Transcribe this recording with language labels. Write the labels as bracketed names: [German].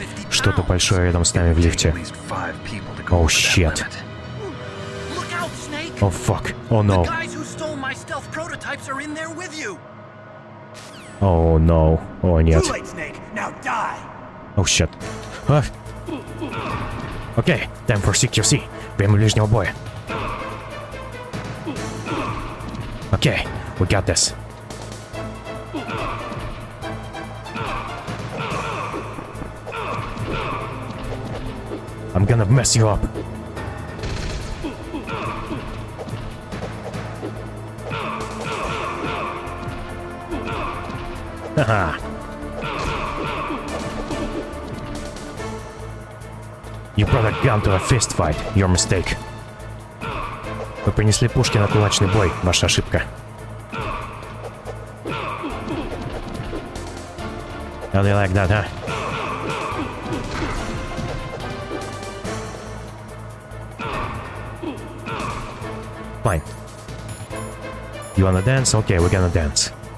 [Russian] Что-то большое рядом с нами в лифте. [English] Oh shit. Look out, Snake. Oh fuck. Oh no. The guys who stole my stealth prototypes are in there with you. Oh no. Oh, нет. Too late, Snake. Now die. Oh, shit. Okay, time for CQC. [Russian] Время ближнего боя. [English] Okay, we got this. I'm gonna mess you up. You brought a gun to a fist fight. Your mistake. [Russian] Вы принесли пушки на кулачный бой. Ваша ошибка. [English] How do you like that, huh? Fine. You wanna dance? Okay, we're gonna dance.